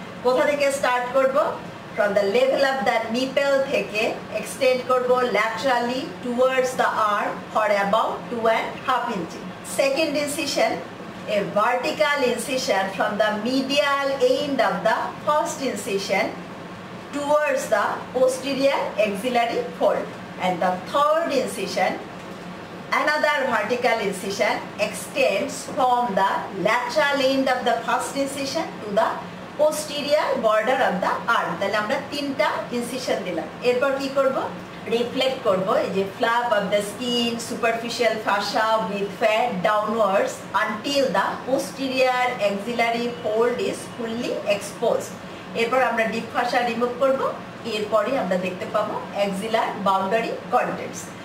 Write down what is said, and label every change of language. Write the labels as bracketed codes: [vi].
[bn] কোথা থেকে স্টার্ট করব, [en] from the level of the nipple [bn] থেকে এক্সটেন্ড করব [en] Laterally towards the arm for about two and half inch. Second incision, a vertical incision from the medial end of the first incision towards the posterior axillary fold. And the third incision, another vertical incision extends from the lateral end of the first incision to the posterior border of the arm. [bn] তাহলে আমরা তিনটা incision দিলাম, এরপর কি করব, reflect করব এই যে [en] Flap of the skin superficial fascia with fat downwards until the posterior axillary fold is fully expose. [bn] এরপর আমরা ডিপ ফাসা রিমুভ করব, এরপরে আমরা দেখতে পাবো অ্যাক্সিলার বাউন্ডারি কন্টেন্টস।